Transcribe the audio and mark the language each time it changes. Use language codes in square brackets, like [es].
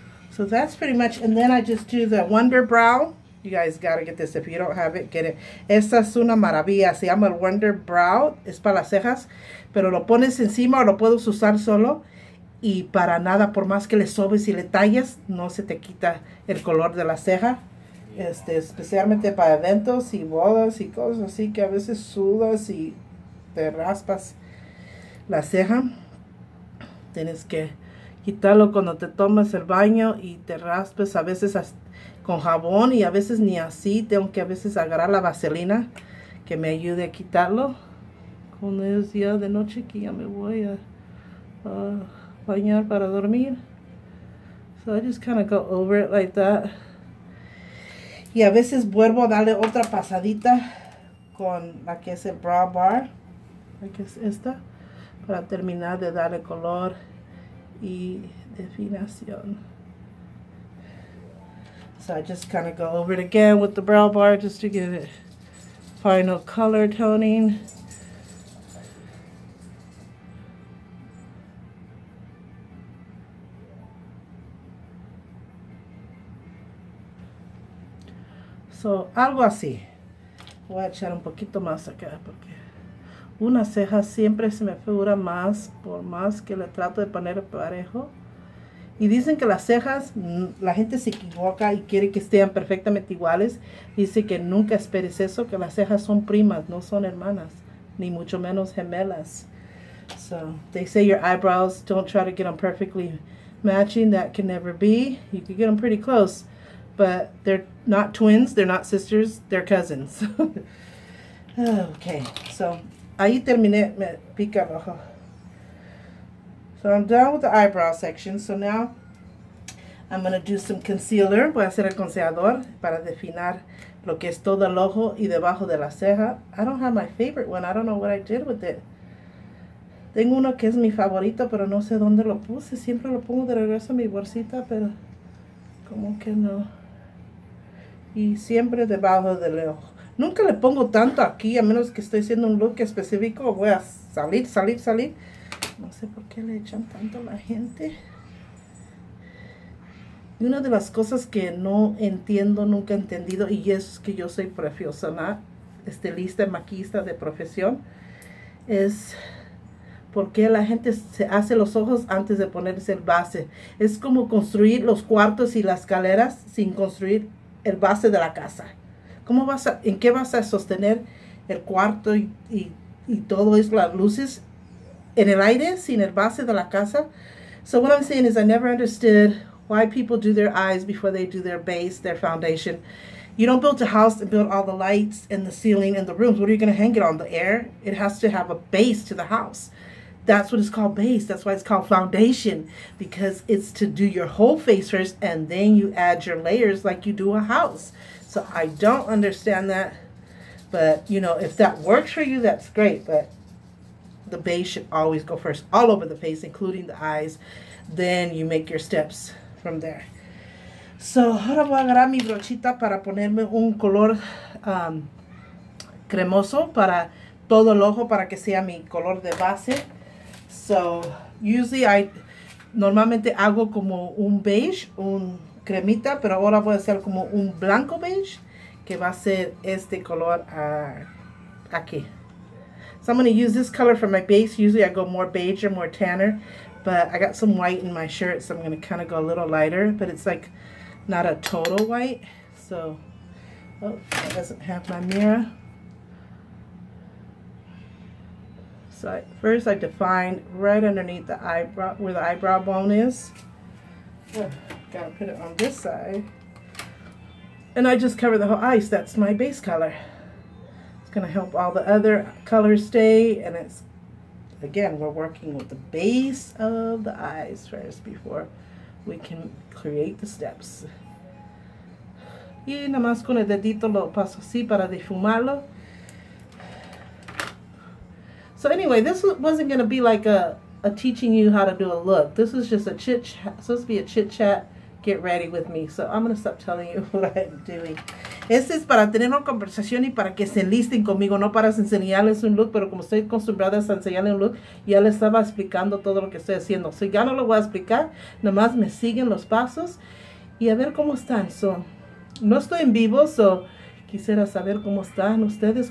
[en] So that's pretty much, and then I just do the Wonder Brow. You guys gotta get this. If you don't have it, get it. [es] Esa es una maravilla. Se llama Wonder Brow. Es para las cejas. Pero lo pones encima o lo puedes usar solo. Y para nada, por más que le sobes y le talles, no se te quita el color de la ceja. Este, especialmente para eventos y bodas y cosas así que a veces sudas y te raspas la ceja. Tienes que quitarlo cuando te tomas el baño y te raspes a veces hasta con jabón, y a veces ni así, tengo que a veces agarrar la vaselina que me ayude a quitarlo. Cuando es día de noche que ya me voy a bañar para dormir. [en] So I just kind of go over it like that. [es] Y a veces vuelvo a darle otra pasadita con la que es el brow bar, la que es esta, para terminar de darle color y definición. [en] So I just kind of go over it again with the brow bar just to give it final color toning. [es] So, algo así. Voy a echar un poquito más acá porque una ceja siempre se me figura más por más que le trato de poner parejo. Y dicen que las cejas, la gente se equivoca y quiere que estén perfectamente iguales. Dice que nunca esperes eso, que las cejas son primas, no son hermanas, ni mucho menos gemelas. [en] So, they say your eyebrows, don't try to get them perfectly matching, that can never be. You can get them pretty close, but they're not twins, they're not sisters, they're cousins. [es] Okay, so, ahí terminé, me pica rojo. [en] So I'm done with the eyebrow section. So now I'm going to do some concealer. [es] Voy a hacer el concealador para definir lo que es todo el ojo y debajo de la ceja. [en] I don't have my favorite one. I don't know what I did with it. [es] Tengo uno que es mi favorito, pero no sé dónde lo puse. Siempre lo pongo de regreso en mi bolsita, pero como que no. Y siempre debajo del ojo. Nunca le pongo tanto aquí, a menos que estoy haciendo un look específico. Voy a salir. No sé por qué le echan tanto a la gente. Y una de las cosas que no entiendo, nunca he entendido, y es que yo soy profesional, estilista y maquillista de profesión, es por qué la gente se hace los ojos antes de ponerse el base. Es como construir los cuartos y las escaleras sin construir el base de la casa. ¿Cómo vas a, en qué vas a sostener el cuarto y todo eso, las luces? En el aire, sin el base de la casa. [en] So what I'm saying is I never understood why people do their eyes before they do their base, their foundation. You don't build a house and build all the lights and the ceiling and the rooms. What are you going to hang it on? The air? It has to have a base to the house. That's what it's called, base. That's why it's called foundation, because it's to do your whole face first and then you add your layers like you do a house. So I don't understand that. But, you know, if that works for you, that's great. But the base should always go first, all over the face, including the eyes. Then you make your steps from there. [es] So, ahora voy a agarrar mi brochita para ponerme un color cremoso para todo el ojo, para que sea mi color de base. [en] So, usually [es] normalmente hago como un beige, un cremita, pero ahora voy a hacer como un blanco beige, que va a ser este color aquí. [en] So, I'm going to use this color for my base. Usually I go more beige or more tanner, but I got some white in my shirt, so I'm going to kind of go a little lighter, but it's like not a total white. So, oh, it doesn't have my mirror. So first I define right underneath the eyebrow, where the eyebrow bone is. Gotta put it on this side. And I just cover the whole eyes. That's my base color. It's gonna help all the other colors stay. And it's, again, we're working with the base of the eyes first before we can create the steps. [es] Y nada más con el dedito lo paso así para difumarlo. [en] So anyway, this wasn't going to be like a teaching you how to do a look. This is just a chit chat, supposed to be a chit chat, get ready with me. So I'm going to stop telling you what I'm doing. [es] Este es para tener una conversación y para que se enlisten conmigo, no para enseñarles un look, pero como estoy acostumbrada a enseñarles un look, ya les estaba explicando todo lo que estoy haciendo. So ya no lo voy a explicar, nada más me siguen los pasos y a ver cómo están. So, no estoy en vivo, so quisiera saber cómo están ustedes.